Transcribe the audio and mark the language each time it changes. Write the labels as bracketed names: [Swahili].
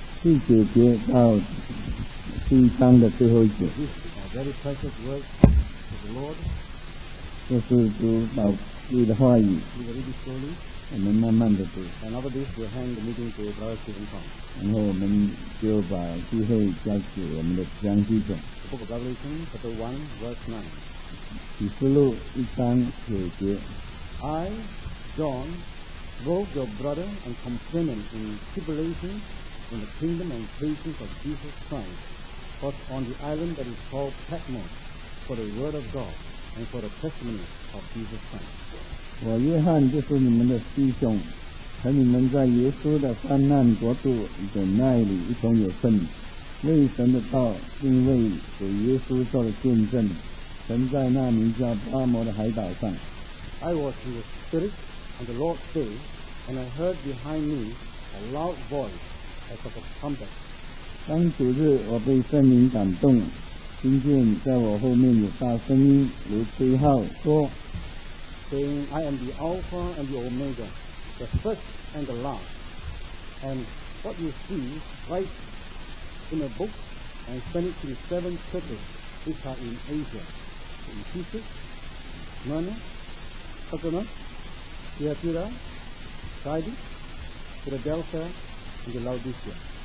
[Chinese] 四节节到七章的最后一节. [English] This is a very precious word of the Lord. [Chinese] 这是主宝贵的话语. [English] We will read it slowly. [Chinese] 我们慢慢的读. [English] And after this, we'll hand the meeting to Brother Stephen Tong. [Chinese] 然后我们就把机会交给我们的张弟兄. [English] Book of Revelation, chapter 1, verse 9. [Chinese] 启示录一章九节. [English] I, John, wrote your brother and companion in tribulation in the kingdom and patience of Jesus Christ, but on the island that is called Patmos, for the word of God and for the testimony of Jesus Christ. [Chinese] 我约翰就是你们的弟兄, 和你们在耶稣的患难国度忍耐里一同有份。为神的道，并为主耶稣做了见证，曾在那名叫巴摩的海岛上。 [English] I was with the Spirit on the Lord's day, and I heard behind me a loud voice as of a trumpet. [Chinese] 当主日，我被圣灵感动，听见在我后面有大声音如吹号说， [English] saying, I am the Alpha and the Omega, the first and the last. And what you see, write in a book and send it to the seven churches which are in Asia, in Ephesus, Smyrna, Pergamum, Thyatira, Sardis, Philadelphia, and Laodicea.